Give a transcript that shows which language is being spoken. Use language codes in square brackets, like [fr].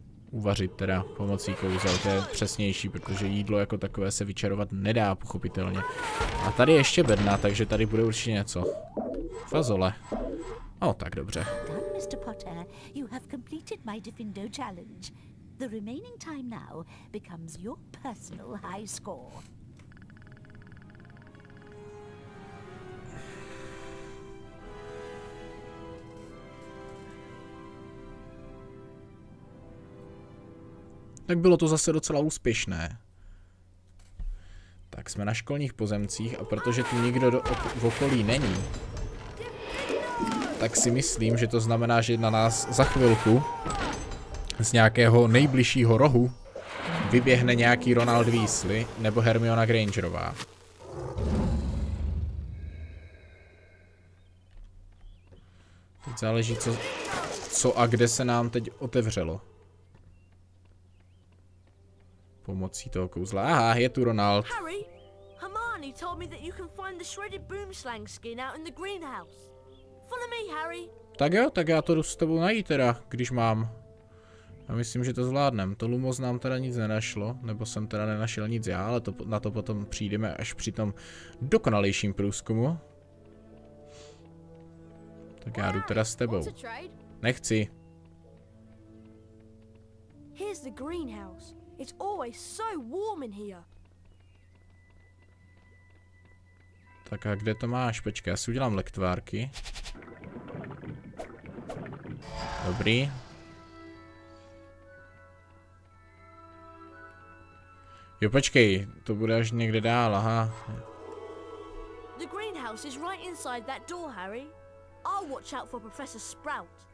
[cs] Uvařit teda pomocí kouzel, to je přesnější, protože jídlo jako takové se vyčarovat nedá, pochopitelně. A tady ještě bedna, takže tady bude určitě něco. Fazole. O, tak dobře. Mr. [en] Potter, you have completed my Divindo challenge. The remaining time now becomes your personal high score. [cs] Tak bylo to zase docela úspěšné. Tak jsme na školních pozemcích a protože tu nikdo v okolí není, tak si myslím, že to znamená, že na nás za chvilku z nějakého nejbližšího rohu vyběhne nějaký Ronald Weasley nebo Hermiona Grangerová. Teď záleží, co a kde se nám teď otevřelo. Pomocí toho kouzla. Aha, je tu Ronald. [en] Harry, Hermione told me that you can find the shredded boomslang skin out in the greenhouse. Follow me, Harry. [cs] Tak jo, tak já to jdu s tebou najít teda, když mám. Já myslím, že to zvládnem. To Lumos nám teda nic nenašlo, nebo jsem teda nenašel nic já, ale to, na to potom přijdeme až při tom dokonalejším průzkumu. Tak já jdu teda s tebou. Nechci. [en] Here's the greenhouse. It's always so warm in here. [cs] Tak a kde to máš? Počkej, já si udělám lektvárky. Dobrý. Jo, počkej, to bude až někde dál, aha. [en] The greenhouse is right inside that door, Harry. I'll watch out for Professor Sprout.